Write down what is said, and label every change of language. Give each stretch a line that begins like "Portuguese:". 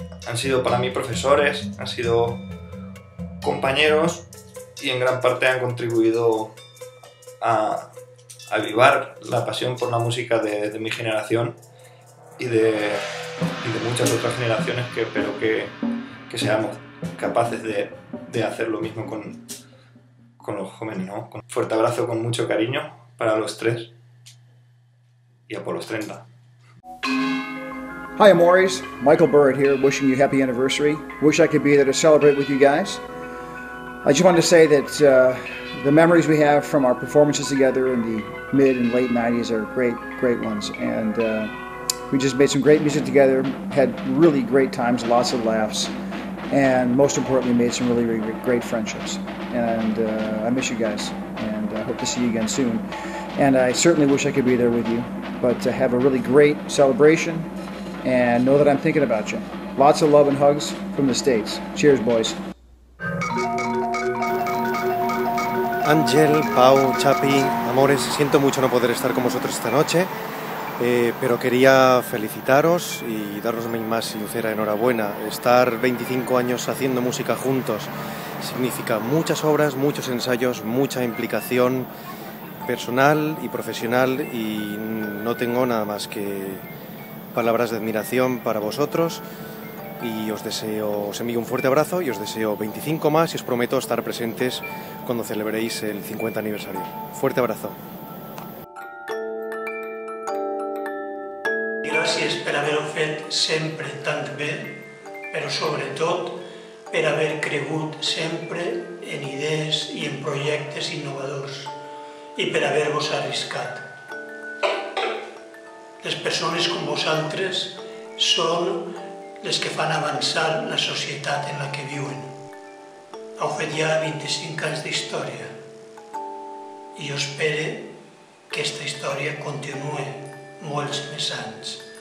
Spanish: Han sido para mí profesores, han sido compañeros y en gran parte han contribuido a avivar la pasión por la música de mi generación y de muchas otras generaciones que espero que seamos capaces de hacer lo mismo con los jóvenes, ¿no? Un fuerte abrazo con mucho cariño para los tres y a por los 30.
English: Hi, I'm Maurice. Michael Burrett here, wishing you happy anniversary. Wish I could be there to celebrate with you guys. I just wanted to say that the memories we have from our performances together in the mid and late 90s are great, great ones. And we just made some great music together, had really great times, lots of laughs, and most importantly, made some really, really great friendships. And I miss you guys, and I hope to see you again soon. And I certainly wish I could be there with you, but have a really great celebration. And know that I'm thinking about you. Lots of love and hugs from the States. Cheers, boys.
Spanish: Ángel, Pau, Chapi, amores, siento mucho no poder estar con vosotros esta noche, pero quería felicitaros y daros mi más sincera enhorabuena. Estar 25 años haciendo música juntos significa muchas obras, muchos ensayos, mucha implicación personal y profesional, y no tengo nada más que palabras de admiración para vosotros, y os envío un fuerte abrazo y os deseo 25 más y os prometo estar presentes cuando celebréis el 50 aniversario. Fuerte abrazo. Gracias por haber ofrecido siempre tan bien, pero sobre todo por haber creído siempre en ideas y en proyectos innovadores y por haberos arriesgado.
Catalan: Les persones com vosaltres són les que fan avançar la societat en la que viuen. Heu fet ja 25 anys d'història i jo espero que aquesta història continuï molts més anys.